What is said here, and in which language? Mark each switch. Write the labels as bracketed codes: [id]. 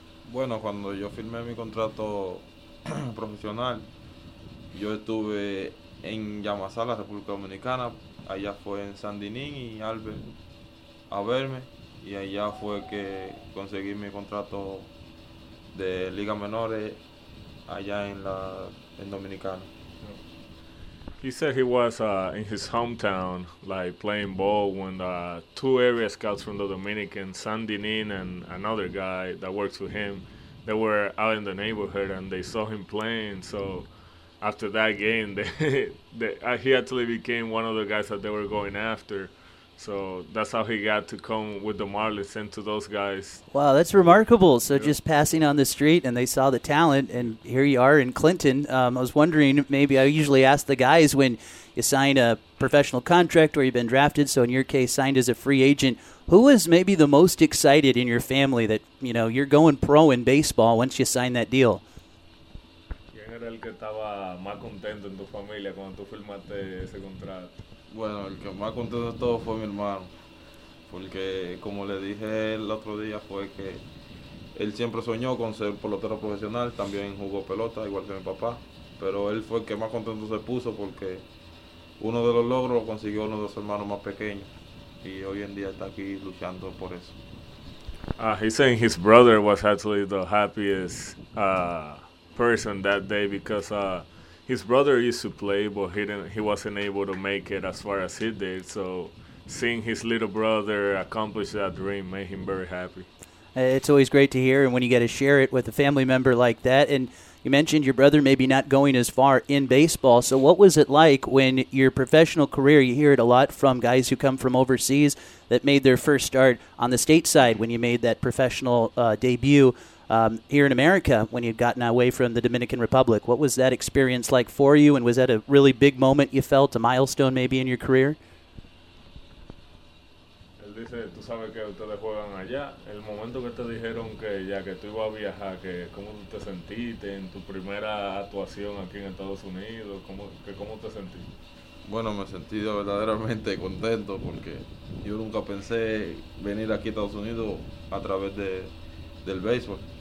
[es] Bueno, cuando yo firmé mi contrato profesional, yo estuve en Llamasala, República Dominicana, allá fue en Sandinín y Albert a verme, y allá fue que conseguí mi contrato de Liga Menores allá en Dominicana. [en] He said he was in his hometown, like playing ball, when the two area scouts from the Dominican, Sandinín and another guy that works with him, they were out in the neighborhood and they saw him playing. So after that game, he actually became one of the guys that they were going after. So that's how he got to come with the Marlins, sent to those guys. Wow, that's remarkable. So yeah. Just passing on the street, and they saw the talent, and here you are in Clinton. I was wondering, maybe I usually ask the guys when you sign a professional contract or you've been drafted, so in your case, signed as a free agent, who was maybe the most excited in your family that, you know, you're going pro in baseball once you sign that deal? [es] ¿Quién era el que estaba más contento en tu familia cuando tú firmaste ese contrato? Bueno, el que más contento de todo fue mi hermano, porque como le dije el otro día, fue que él siempre soñó con ser pelotero profesional, también jugó pelota, igual que mi papá, pero él fue el que más contento se puso porque uno de los logros lo consiguió uno de sus hermanos más pequeños, y hoy en día está aquí luchando por eso. [en] He's saying his brother was actually the happiest person that day because his brother used to play, but he wasn't able to make it as far as he did. So seeing his little brother accomplish that dream made him very happy. It's always great to hear, and when you get to share it with a family member like that. And you mentioned your brother maybe not going as far in baseball. So what was it like when your professional career, you hear it a lot from guys who come from overseas that made their first start on the state side when you made that professional debut here in America when you'd gotten away from the Dominican Republic? What was that experience like for you, and was that a really big moment you felt, a milestone maybe in your career? [es] Dice, tú sabes que ustedes juegan allá. El momento que te dijeron que ya que tú ibas a viajar, que cómo te sentiste en tu primera actuación aquí en Estados Unidos, cómo te sentiste. Bueno, me sentí verdaderamente contento porque yo nunca pensé venir aquí a Estados Unidos a través del béisbol.